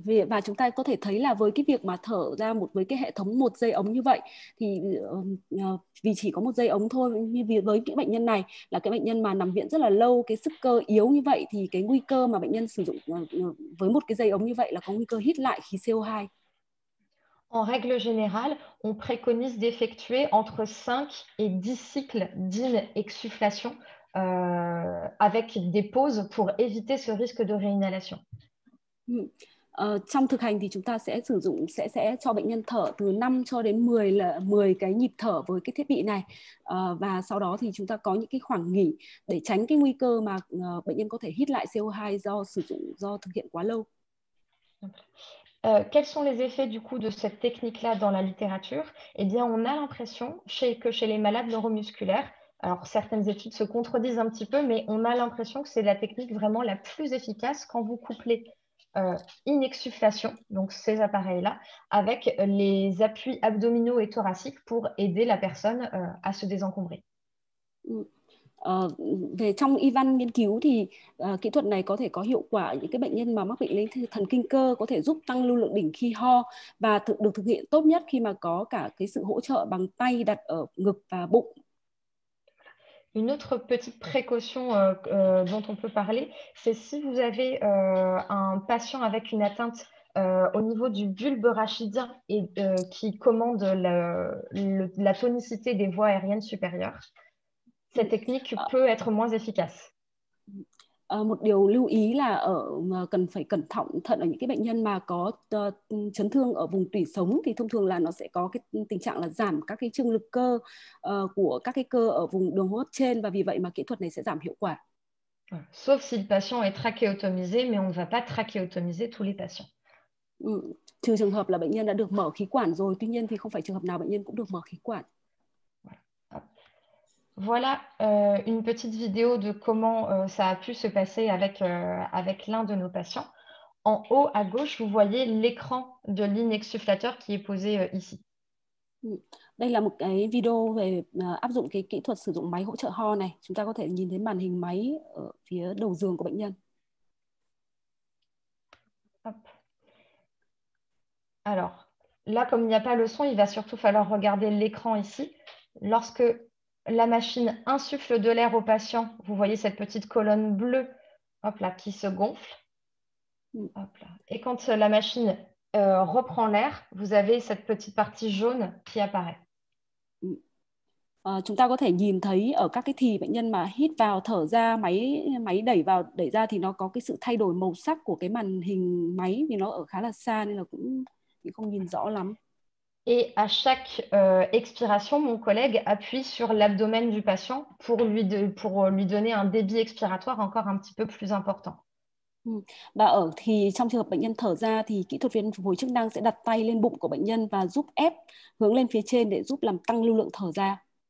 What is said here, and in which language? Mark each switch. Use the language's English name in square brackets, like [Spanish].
[Vietnamese] Và chúng ta có thể thấy là với cái việc mà thở ra một với cái hệ thống một dây ống như vậy thì vì chỉ có một dây ống thôi, như với cái bệnh nhân này là cái bệnh nhân mà nằm viện rất là lâu, cái sức cơ yếu như vậy thì cái nguy cơ mà bệnh nhân sử dụng với một cái dây ống như vậy là có nguy cơ hít lại khí CO2. [French] En règle générale, on préconise d'effectuer entre 5 et 10 cycles d'inexsufflation avec des pauses pour éviter ce risque de réinhalation. [Vietnamese] Trong thực hành thì chúng ta sẽ sử dụng sẽ cho bệnh nhân thở từ 5 cho đến 10 là 10 cái nhịp thở với cái thiết bị này. Và sau đó thì chúng ta có những cái khoảng nghỉ để tránh cái nguy cơ mà bệnh nhân có thể hít lại CO2 do sử dụng do thực hiện quá lâu. [French] Quels sont les effets du coup de cette technique-là dans la littérature? Eh bien, on a l'impression que chez les malades neuromusculaires, alors certaines études se contredisent un petit peu, mais on a l'impression que c'est la technique vraiment la plus efficace quand vous couplez inexsufflation, donc ces appareils-là, avec les appuis abdominaux et thoraciques pour aider la personne à se désencombrer. [Vietnamese] Về trong y văn nghiên cứu thì kỹ thuật này có thể có hiệu quả những cái bệnh nhân mà mắc bệnh lý thần kinh cơ, có thể giúp tăng lưu lượng đỉnh khi ho và được thực hiện tốt nhất khi mà có cả cái sự hỗ trợ bằng tay đặt ở ngực và bụng. [French] Une autre petite précaution dont on peut parler, c'est si vous avez un patient avec une atteinte au niveau du bulbe rachidien et qui commande la tonicité des voies aériennes supérieures, cette technique peut être moins efficace. [Vietnamese] Một điều lưu ý là cần phải cẩn thận ở những cái bệnh nhân mà có chấn thương ở vùng tủy sống thì thông thường là nó sẽ có cái tình trạng là giảm các cái trương lực cơ của các cái cơ ở vùng đường hô hấp trên và vì vậy mà kỹ thuật này sẽ giảm hiệu quả. [French] Sauf si le patient est trachéotomisé, mais on ne va pas trachéotomiser tous les patients. [Vietnamese] Trừ trường hợp là bệnh nhân đã được mở khí quản rồi, tuy nhiên thì không phải trường hợp nào bệnh nhân cũng được mở khí quản. [French] Voilà une petite vidéo de comment ça a pu se passer avec l'un de nos patients. En haut à gauche, vous voyez l'écran de l'inexsufflateur qui est posé ici. [Vietnamese] Đây là một cái video về áp dụng cái kỹ thuật sử dụng máy hỗ trợ ho này. Chúng ta có thể nhìn thấy màn hình máy ở phía đầu giường của bệnh nhân. [French] Alors, là comme il n'y a pas le son, il va surtout falloir regarder l'écran ici. Lorsque la machine insuffle de l'air au patient, vous voyez cette petite colonne bleue, hop là, qui se gonfle. Hop là. Et quand la machine reprend l'air, vous avez cette petite partie jaune qui apparaît. [Vietnamese] Chúng ta có thể nhìn thấy ở các cái thì bệnh nhân mà hít vào thở ra máy máy đẩy vào đẩy ra thì nó có cái sự thay đổi màu sắc của cái màn hình máy vì nó ở khá là xa nên là cũng không nhìn rõ lắm. [French] Et à chaque expiration, mon collègue appuie sur l'abdomen du patient pour lui donner un débit expiratoire encore un petit peu plus important. [Vietnamese] Và ở thì trong trường hợp bệnh nhân thở ra thì kỹ thuật viên phục hồi chức năng sẽ đặt tay lên bụng của bệnh nhân và giúp ép hướng lên phía trên để giúp làm tăng lưu lượng thở ra.